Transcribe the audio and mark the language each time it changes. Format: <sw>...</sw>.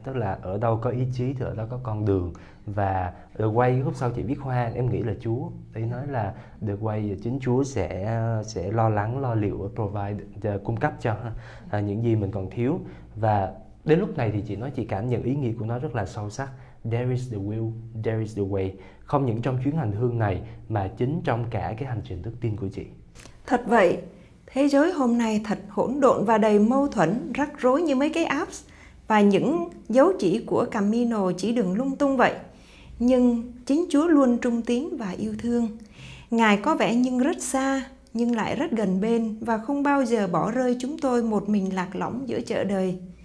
<vi>Tức là ở đâu có ý chí thì ở đó có con đường. Và the way, lúc sau chị viết hoa, em nghĩ là Chúa. Ý nói là the way, chính Chúa sẽ lo lắng, lo liệu, provide, cung cấp cho những gì mình còn thiếu. Và đến lúc này thì chị nói chị cảm nhận ý nghĩa của nó rất là sâu sắc.</vi> <en>There is the will, there is the way.</en> <vi>Không những trong chuyến hành hương này, mà chính trong cả cái hành trình đức tin của chị. Thật vậy. Thế giới hôm nay thật hỗn độn và đầy mâu thuẫn, rắc rối như mấy cái apps và những dấu chỉ của Camino chỉ đường lung tung vậy. Nhưng chính Chúa luôn trung tín và yêu thương. Ngài có vẻ nhưng rất xa, nhưng lại rất gần bên và không bao giờ bỏ rơi chúng tôi một mình lạc lõng giữa chợ đời.</vi>